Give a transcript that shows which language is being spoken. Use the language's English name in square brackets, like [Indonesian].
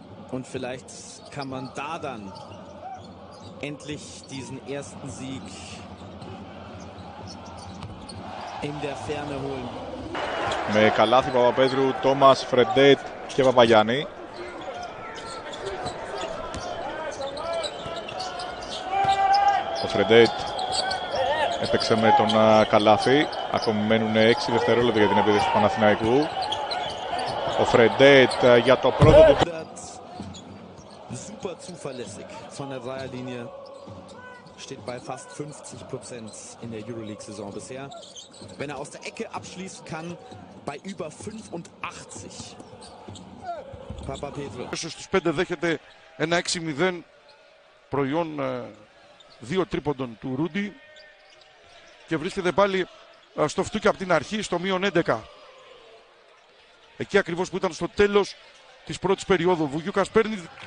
[German] Und vielleicht kann man da dann endlich diesen ersten Sieg in der Ferne holen. [Greek] Με Καλάθη, Παπαπέτρου, Τόμας, Φρεντέτ και Παπαγιάννη. Ο Φρεντέτ έπαιξε με τον Καλάθη. Ακόμη μένουν 6 δευτερόλεπτα για την επίθεση του Παναθηναϊκού. Ο Φρεντέτ για το πρώτο του... [German] Super zuverlässig von der Dreierlinie. Steht bei fast 50% in der Euroleague-Saison bisher. Wenn er aus der Ecke abschließen kann, bei über 85. Papa Pedro. [Greek] Στους 5 δέχεται ένα 6-0 προϊόν 2 τρίποντων του Ρούντι. Και βρίσκεται πάλι στο φτούκι από την αρχή, στο μείον 11. Εκεί ακριβώς που ήταν στο τέλος της πρώτης περίοδου. Βουγιούκας παίρνει...